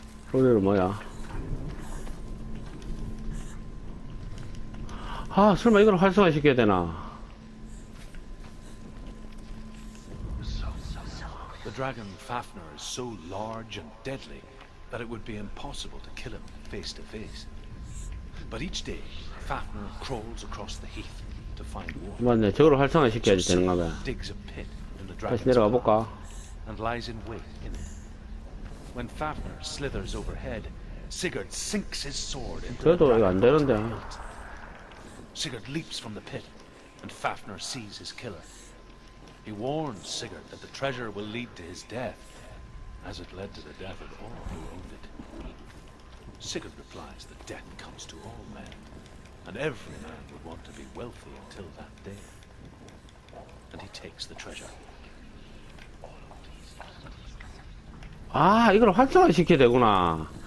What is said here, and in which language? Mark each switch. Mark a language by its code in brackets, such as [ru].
[ko] 소리는 뭐야? 아, 설마 이걸 활성화 시켜야 되나? [en] The dragon Fafnir is so large and deadly that it would be impossible to kill him face to face. But each day, Fafnir crawls across the heath to find water. [ko] 맞네, 저걸 활성화 시켜야 되는가 봐. 다시 내려가 볼까? [en] And lies in wait in it. When Fafnir slithers overhead, Sigurd sinks his sword into the dragon's heart. Sigurd leaps from the pit, and Fafnir sees his killer. He warns Sigurd that the treasure will lead to his death, as it led to the death of all who owned it. Sigurd replies that death comes to all men, and every man would want to be wealthy until that day. And he takes the treasure. [ko] 아, 이걸 활성화 시켜야 되구나.